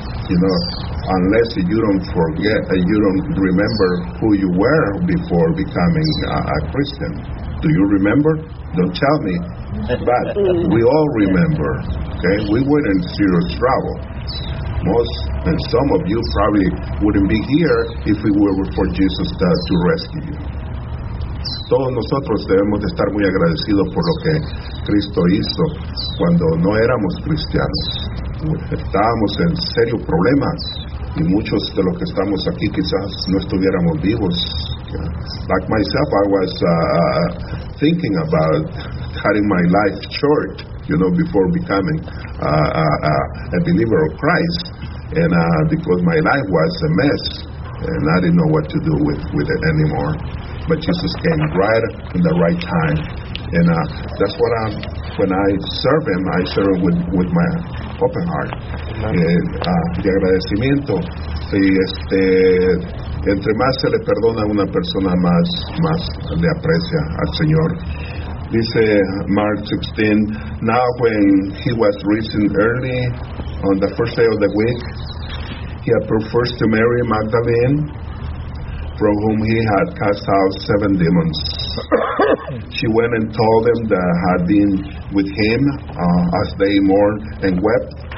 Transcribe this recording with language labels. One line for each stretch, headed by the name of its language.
English: You know, unless you don't forget, you don't remember who you were before becoming a Christian. Do you remember? Don't tell me. But we all remember, okay? We were in serious trouble. Most and some of you probably wouldn't be here if it were for Jesus to rescue you.
Spanish: Todos nosotros debemos de estar muy agradecidos por lo que Cristo hizo cuando no éramos cristianos. Estábamos en serios problemas y muchos de los que estamos aquí quizás no estuviéramos vivos.
English: Like myself, I was thinking about cutting my life short, you know, before becoming a believer of Christ, and because my life was a mess and I didn't know what to do with it anymore. But Jesus came right in the right time, and that's what I'm, when I serve him, I serve him with my open heart.
Spanish: De agradecimiento. Y entre más se le perdona a una persona, más le aprecia al Señor. Dice
English: Mark 16, now when he was risen early on the first day of the week, he approached first to Mary Magdalene, from whom he had cast out seven demons. She went and told them that had been with him as they mourned and wept.